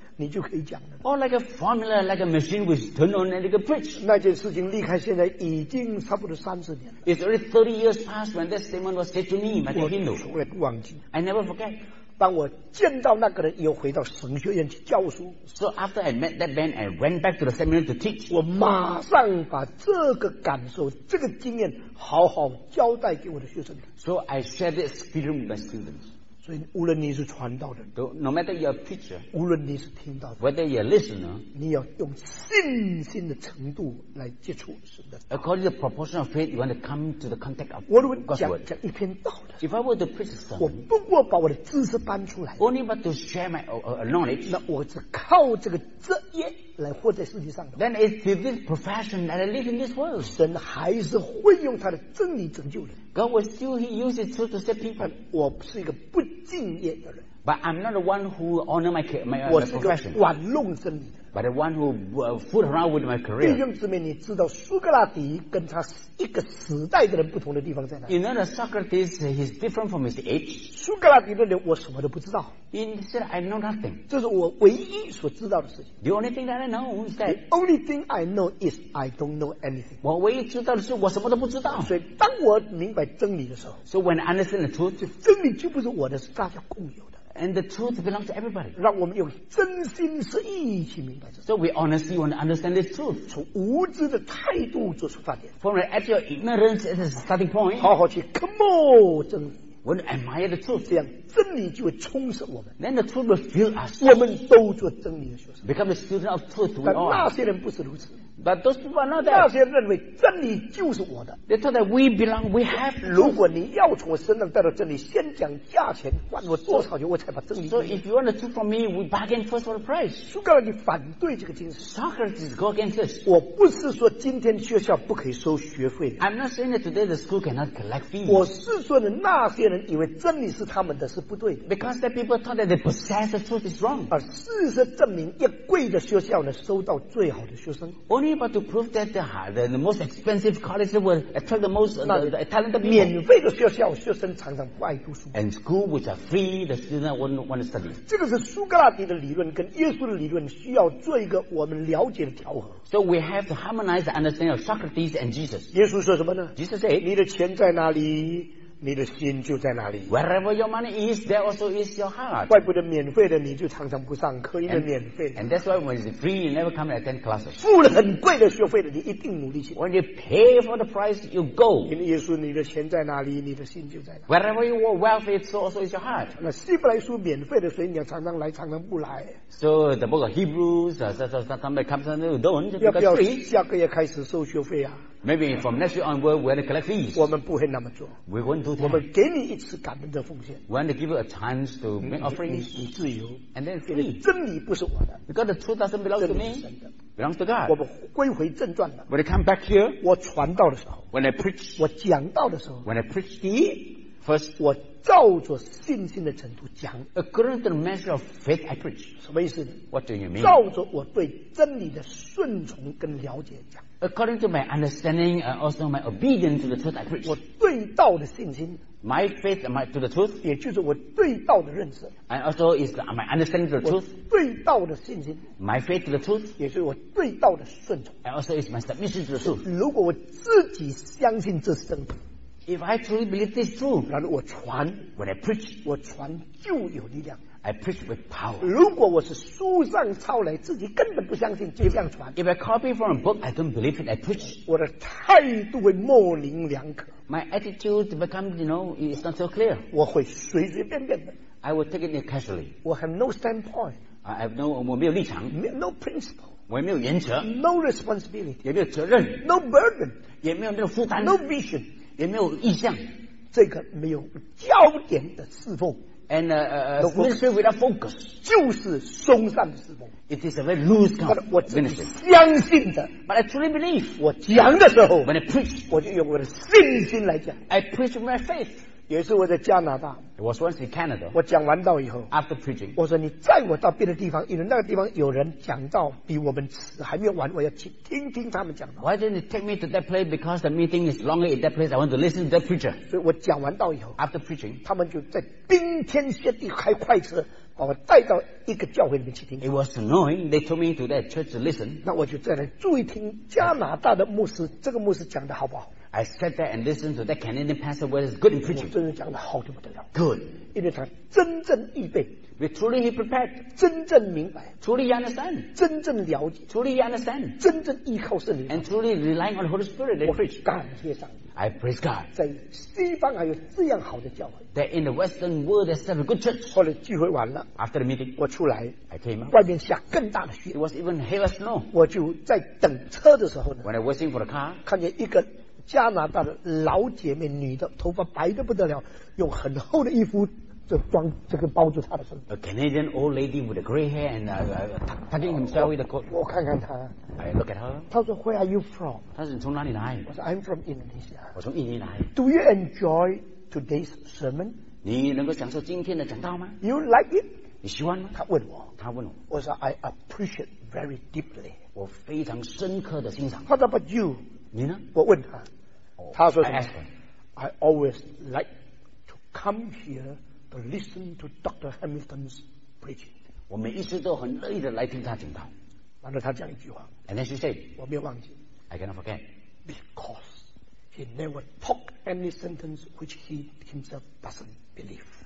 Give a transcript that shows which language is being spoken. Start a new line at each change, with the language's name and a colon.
English: Or like a formula, like a machine which turned on and you can preach.
Chinese: 那件事情离开现在已经差不多30年了。
English: It's already 30 years past when that statement was said to me by the Hindu.
Chinese: 我从来不忘记。
English: I never forget.
Chinese: 当我见到那个人，又回到神学院去教书。
English: So after I met that man, I went back to the seminary to teach.
Chinese: 我马上把这个感受，这个经验好好交代给我的学生。
English: So I shared this experience with my students.
Chinese: 所以无论你是传道的人，
English: no matter you're a preacher，
Chinese: 无论你是听到的人，
English: whether you're a listener，
Chinese: 你要用信心的程度来接触神的。
English: According to the proportion of faith， you want to come to the contact of God's word。
Chinese: 我如果讲一篇道的，
English: if I were to preach some，
Chinese: 我不过把我的知识搬出来，
English: only but to share my knowledge，
Chinese: 那我只靠这个职业。来活在世界上的,
English: then it's through this profession that I live in this world.
Chinese: 神还是会用他的真理拯救人。
English: God will still use his truth to save people.
Chinese: 我是一个不敬业的人。
English: But I'm not the one who honor my profession.
Chinese: 我是个玩弄真理的。
English: But the one who fool around with my career.
Chinese: 弟兄姊妹，你知道苏格拉底跟他一个时代的人不同的地方在哪？
English: You know that Socrates is different from his age.
Chinese: 苏格拉底的人，我什么都不知道。
English: Instead, I know nothing.
Chinese: 这是我唯一所知道的事情。
English: The only thing that I know is that. The only thing I know is I don't know anything.
Chinese: 我唯一知道的是我什么都不知道。所以当我明白真理的时候。
English: So when I understand the truth,
Chinese: 真理就不是我的，是大家共有的。
English: And the truth belongs to everybody.
Chinese: 让我们用真心实意一起明白这个。
English: So we honestly want to understand this truth.
Chinese: 从无知的态度做出发点。
English: From at your ignorance as a starting point.
Chinese: 好好去 commode 真理。
English: When you admire the truth,
Chinese: 这样真理就会充实我们。
English: Then the truth will fill us.
Chinese: 我们都做真理的学生。
English: Become the student of truth. We are.
Chinese: 但那些人不是如此。
English: But those people are not that.
Chinese: 那些认为真理就是我的。
English: They thought that we belong, we have.
Chinese: 如果你要从我身上带到真理，先讲价钱，管我多少钱，我才把真理。
English: So if you want the truth from me, we bargain first for the price.
Chinese: 苏格拉底反对这个精神。
English: Socrates go against this.
Chinese: 我不是说今天学校不可以收学费。
English: I'm not saying that today the school cannot collect fees.
Chinese: 我是说的那些人以为真理是他们的是不对的。
English: Because the people thought that they possess the truth is wrong.
Chinese: 而事实证明，越贵的学校呢，收到最好的学生。
English: Only but to prove that the most expensive college will attract the most the talented people.
Chinese: 免费的学校学生常常不爱读书。
English: And school which are free, the students won't want to study.
Chinese: 这个是苏格拉底的理论跟耶稣的理论需要做一个我们了解的调和。
English: So we have to harmonize the understanding of Socrates and Jesus.
Chinese: 耶稣说什么呢？
English: Jesus said,
Chinese: 你的钱在哪里？你的心就在哪里。
English: Wherever your money is, there also is your heart.
Chinese: 怪不得免费的你就常常不上课，因为免费的。
English: And that's why when it's free, you never come and attend classes.
Chinese: 付了很贵的学费的，你一定努力去。
English: When you pay for the price, you go.
Chinese: 因为耶稣，你的钱在哪里，你的心就在哪里。
English: Wherever your wealth is, also is your heart.
Chinese: 那希伯来书免费的，所以你要常常来，常常不来。
English: So the book of Hebrews, sometimes you don't.
Chinese: 要不要下个月开始收学费啊？
English: Maybe from next year onward, we're going to collect fees.
Chinese: 我们不会那么做。
English: We won't do that.
Chinese: 我们给你一次感恩的奉献。
English: We're going to give you a chance to make offerings.
Chinese: 你自由。
English: And then free.
Chinese: 真理不是我的。
English: Because the truth doesn't belong to me. Belongs to God.
Chinese: 我们归回正传了。
English: When I come back here,
Chinese: 我传道的时候。
English: When I preach,
Chinese: 我讲道的时候。
English: When I preach to you, first,
Chinese: 我照着信心的程度讲。
English: According to the measure of faith I preach.
Chinese: 什么意思？
English: What do you mean?
Chinese: 照着我对真理的顺从跟了解讲。
English: According to my understanding, also my obedience to the truth I preach.
Chinese: 我对道的信心。
English: My faith to the truth.
Chinese: 也就是我对道的认识。
English: And also is my understanding to the truth.
Chinese: 我对道的信心。
English: My faith to the truth.
Chinese: 也是我对道的顺从。
English: And also is my submission to the truth.
Chinese: 如果我自己相信这是真理。
English: If I truly believe this truth.
Chinese: 然后我传。
English: When I preach.
Chinese: 我传就有力量。
English: I preach with power.
Chinese: 如果我是书上抄来，自己根本不相信，就这样传。
English: If I copy from a book, I don't believe it. I preach.
Chinese: 我的态度会模棱两可。
English: My attitude becomes, you know, it's not so clear.
Chinese: 我会随随便便的。
English: I will take it casually. 我 have no standpoint. I have no,
Chinese: 我没有立场。
English: No principle.
Chinese: 我也没有原则。
English: No responsibility.
Chinese: 也没有责任。
English: No burden.
Chinese: 也没有那个负担。
English: No vision.
Chinese: 也没有意向。这个没有焦点的侍奉。
English: And ministry without focus
Chinese: 就是松散的侍奉。
English: It is a very loose kind of ministry.
Chinese: 相信的。
English: But I truly believe.
Chinese: 我讲的时候。
English: When I preach.
Chinese: 我就用我的信心来讲。
English: I preach with my faith.
Chinese: 也是我在加拿大。
English: It was once in Canada.
Chinese: 我讲完道以后。
English: After preaching.
Chinese: 我说你载我到别的地方，因为那个地方有人讲道比我们迟，还没有完，我要去听听他们讲道。
English: Why didn't you take me to that place? Because the meeting is longer in that place. I want to listen to the preacher.
Chinese: 所以我讲完道以后。
English: After preaching.
Chinese: 他们就在冰天雪地开快车把我带到一个教会里面去听。
English: It was annoying. They told me to that church to listen.
Chinese: 那我就在那注意听加拿大的牧师，这个牧师讲的好不好。
English: I sat there and listened to that Canadian pastor where he's good in preaching.
Chinese: 真的讲得好得不得了。
English: Good.
Chinese: 因为他真正预备。
English: But truly he prepared.
Chinese: 真正明白。
English: Truly he understand.
Chinese: 真正了解。
English: Truly he understand.
Chinese: 真正依靠圣灵。
English: And truly relying on the Holy Spirit to preach.
Chinese: 感谢上帝。
English: I praise God.
Chinese: 在西方还有这样好的教会。
English: That in the Western world there's such a good church.
Chinese: 后来聚会完了。
English: After the meeting.
Chinese: 我出来。
English: I came out.
Chinese: 外面下更大的雪。
English: It was even heavier snow.
Chinese: 我就在等车的时候呢。
English: When I was waiting for the car.
Chinese: 看见一个加拿大的老姐妹，女的，头发白得不得了，用很厚的衣服就装这个包住她的身。
English: A Canadian old lady with a gray hair and tucking himself with a coat.
Chinese: 我看看她。
English: I look at her.
Chinese: 她说
English: ，Where are you from?
Chinese: 她说你从哪里来？我说
English: ，I'm from Indonesia.
Chinese: 我从印尼来。
English: Do you enjoy today's sermon?
Chinese: 你能够享受今天的讲道吗
English: ？You like it?
Chinese: 你喜欢吗？她问我。她问我。我说
English: ，I appreciate very deeply.
Chinese: 我非常深刻的欣赏。
English: What about you?
Chinese: 你呢？我问他。他说什么
English: I always like to come here to listen to Dr. Hamilton's preaching.
Chinese: 我每一次都很乐意的来听他讲道。然后他讲一句话。
English: And then she said,
Chinese: 我没有忘记。
English: I cannot forget. Because he never talked any sentence which he himself doesn't believe.